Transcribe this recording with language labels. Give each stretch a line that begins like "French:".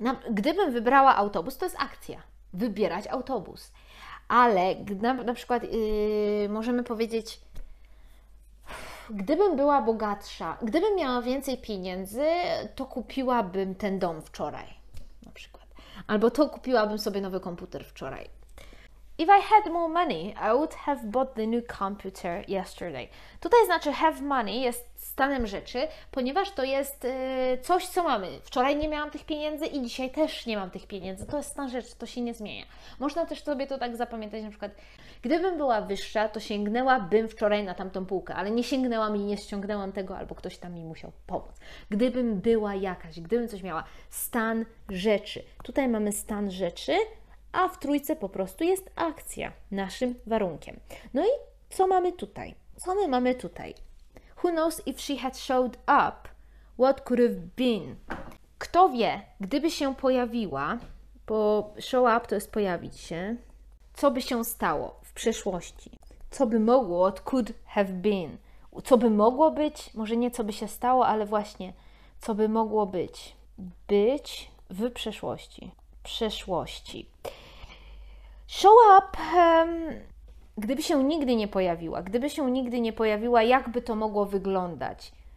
Polish: Gdybym wybrała autobus, to jest akcja. Wybierać autobus. Ale na przykład możemy powiedzieć, gdybym była bogatsza, gdybym miała więcej pieniędzy, to kupiłabym ten dom wczoraj. Na przykład. Albo to kupiłabym sobie nowy komputer wczoraj.
English: If I had more money, I would have bought the new computer yesterday.
Polish: Tutaj znaczy
English: have money
Polish: jest stanem rzeczy, ponieważ to jest coś, co mamy. Wczoraj nie miałam tych pieniędzy i dzisiaj też nie mam tych pieniędzy. To jest stan rzeczy, to się nie zmienia. Można też sobie to tak zapamiętać, na przykład gdybym była wyższa, to sięgnęłabym wczoraj na tamtą półkę, ale nie sięgnęłam i nie ściągnęłam tego, albo ktoś tam mi musiał pomóc. Gdybym była jakaś, gdybym coś miała. Stan rzeczy. Tutaj mamy stan rzeczy, a w trójce po prostu jest akcja naszym warunkiem. No i co mamy tutaj? Co my mamy tutaj?
English: Who knows if she had showed up, what could have been?
Polish: Kto wie, gdyby się pojawiła, Bo
English: show up
Polish: to jest pojawić się. Co by się stało w przeszłości? Co by mogło,
English: what could have been?
Polish: Co by mogło być? Może nie co by się stało, ale właśnie co by mogło być? Być w przeszłości. Przeszłości.
English: Show up,
Polish: gdyby się nigdy nie pojawiła, jakby to mogło wyglądać?